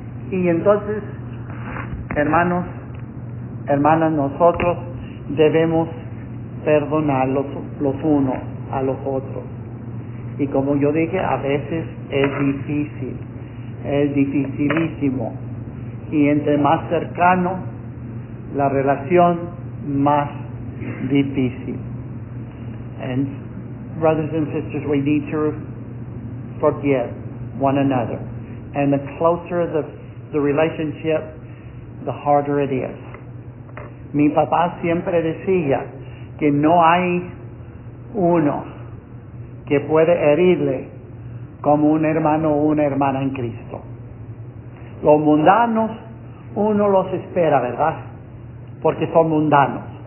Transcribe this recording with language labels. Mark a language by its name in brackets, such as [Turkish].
[Spanish] Y entonces, hermanos, hermanas, nosotros debemos perdonar los unos a los otros. Y como yo dije, a veces es difícil, es dificilísimo. Y entre más cercano la relación, más difícil. [English] And brothers and sisters, we need to forgive one another. And the closer the relationship, the harder it is. [Spanish] Mi papá siempre decía que no hay uno que puede herirle como un hermano o una hermana en Cristo. Los mundanos, uno los espera, ¿verdad? Porque son mundanos.